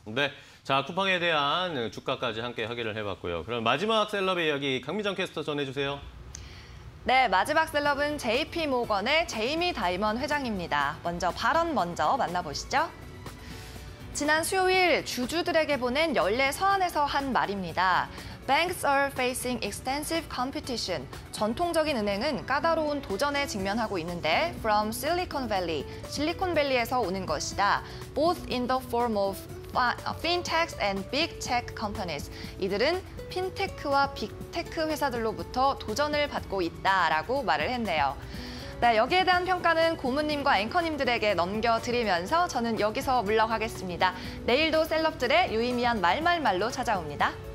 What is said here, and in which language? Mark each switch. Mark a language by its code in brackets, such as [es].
[ko] 네, 자, 쿠팡에 대한 주가까지 함께 확인을 해봤고요. 그럼 마지막 셀럽의 이야기 강민정 캐스터 전해주세요. 네, 마지막 셀럽은 JP모건의 제이미 다이먼 회장입니다. 먼저 발언 먼저 만나보시죠. 지난 수요일 주주들에게 보낸 연례 서한에서 한 말입니다. [en] Banks are facing extensive competition. [ko] 전통적인 은행은 까다로운 도전에 직면하고 있는데 [en] from Silicon Valley, [ko] 실리콘밸리에서 오는 것이다. [en] Both in the form of fintechs and big tech companies. [ko] 이들은 핀테크와 빅테크 회사들로부터 도전을 받고 있다라고 말을 했네요. 네, 여기에 대한 평가는 고문님과 앵커님들에게 넘겨드리면서 저는 여기서 물러가겠습니다. 내일도 셀럽들의 유의미한 말말말로 찾아옵니다.